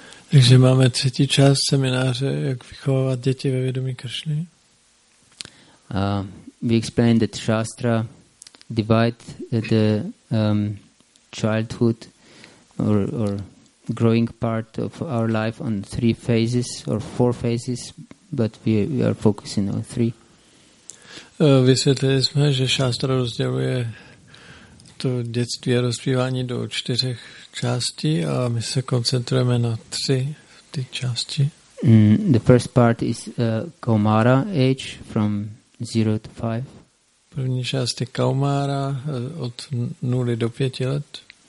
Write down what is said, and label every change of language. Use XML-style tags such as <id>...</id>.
<cs>Takže máme třetí část semináře, jak vychovávat děti ve vědomí Krišny.</cs> <en>We explained that Shastra divide the childhood or growing part of our life on three phases or four phases, but we are focusing on three.</en> <cs>Vysvětlili jsme, že šástra rozděluje to dětství a rozpívání do čtyřech částí a my se koncentrujeme na tři ty části.</cs> <en>The first part is Kaumara age from 0 to 5.</en> <cs>První část je Kaumara od 0 do 5 let.</cs>